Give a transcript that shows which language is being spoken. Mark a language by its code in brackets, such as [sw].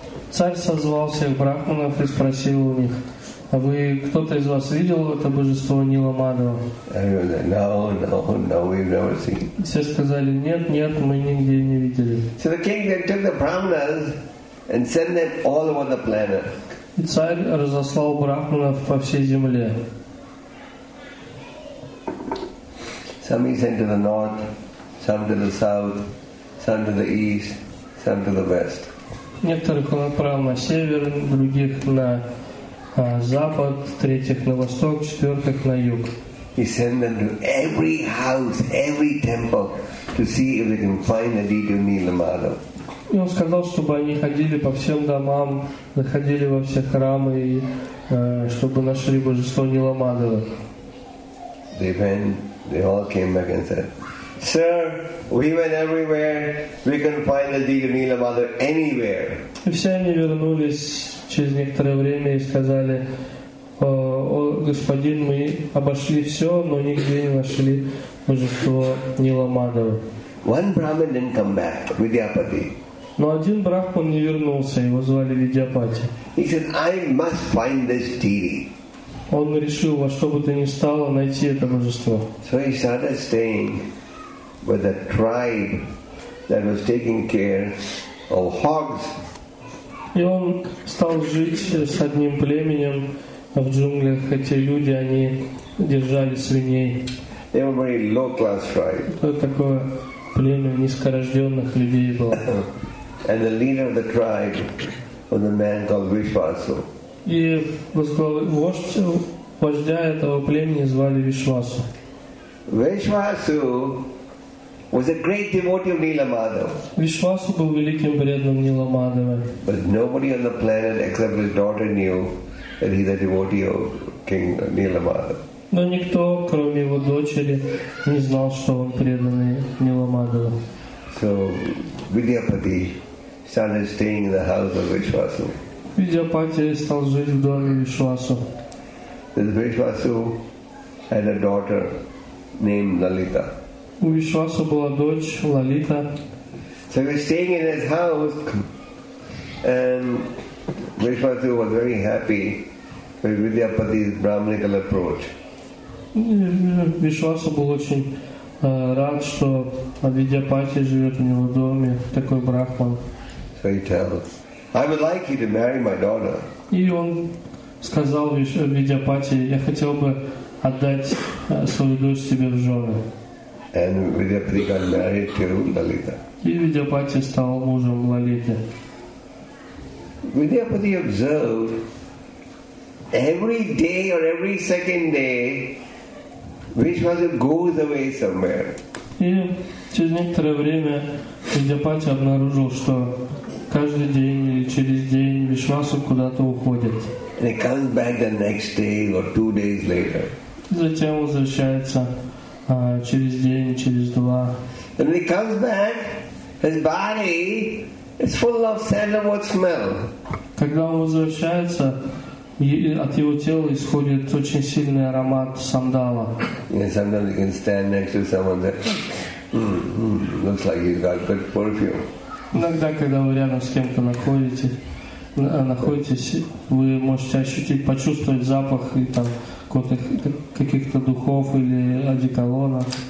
[ru] Царь созвал всех брахманов и спросил у них, а вы, кто-то из вас видел это божество Нила Мадхава? [en] Everyone said, no, we've never seen. [ru] Все сказали, нет, мы нигде не видели. [en] So the king then took the brahmanas and sent them all over the planet. [ru] И царь разослал брахманов по всей земле. [en] Some he sent to the north, some to the south, some to the east, some to the west. [ru] Некоторых он отправил на север, других на запад, третьих на восток, четвертых на юг. [en] He sent them to every house, every temple, to see if they can find the deity of Nila Madhav. [ru] И он сказал, чтобы они ходили по всем домам, заходили во все храмы, и, чтобы нашли божество Нила Мадхава. [en] They went, they all came back and said, "Sir, we went everywhere, we can find the deity of Nila Madhav anywhere." [ru] И все они вернулись через некоторое время и сказали, о господин, мы обошли все, но нигде не нашли божество Нила Мадхава. [en] One Brahmin didn't come back, Vidyapati. [ru] Но один брахман не вернулся, его звали Видьяпати. [en] He said, I must find this deity. [ru] Он решил во что бы то ни стало найти это божество. [en] So he started staying with a tribe that was taking care of hogs. [ru] И он стал жить с одним племенем в джунглях. Эти люди, они держали свиней. [en] They were very low-class tribe. [ru] Это такое племя низкорожденных людей было. [en] And the leader of the tribe was a man called Vishwasu. [ru] И вождя этого племени звали Вишвасу. [en] Vishwasu was a great devotee of Nila Madhava. [ru] Вишвасу был великим преданным Нила Мадхава. [en] But nobody on the planet except his daughter knew that he's a devotee of King Nila Madhava. [ru] Но никто, кроме его дочери, не знал, что он преданный Нила Мадхава. [en] So Vidyapati started staying in the house of Vishwasu. [ru] Vidyapati стал жить в доме Вишвасу. [en] This Vishwasu had a daughter named Lalita. [ru] У Вишвасу была дочь Лалита. [en] So he was staying in his house, and Vishwasu was very happy with Vidyapati's Brahminical approach. [ru] Вишвасу был очень рад, что Видьяпати живет у него в доме, такой брахман. [en] So he tells, I would like you to marry my daughter. [ru] И он сказал Видьяпати, я хотел бы отдать свою дочь себе в жены. [en] And Vidyapati got married to Lalita. [ru] И Видьяпати стал мужем Лалиты. [en] Vidyapati observed every day or every second day Vishwasu goes away somewhere. [ru] И через некоторое время Видьяпати обнаружил, что каждый день или через день Вишвасу куда-то уходит. [en] And he comes back the next day or two days later. [ru] Затем возвращается через день, через два. [en] And when he comes back, his body is full of sandalwood smell. [ru] Когда он возвращается, от его тела исходит очень сильный аромат сандала. [en] Yeah, sometimes you can stand next to someone that looks like he's got good perfume. [ru] Иногда, когда вы рядом с кем-то находитесь, вы можете ощутить, почувствовать запах и там каких-то духов или одеколона.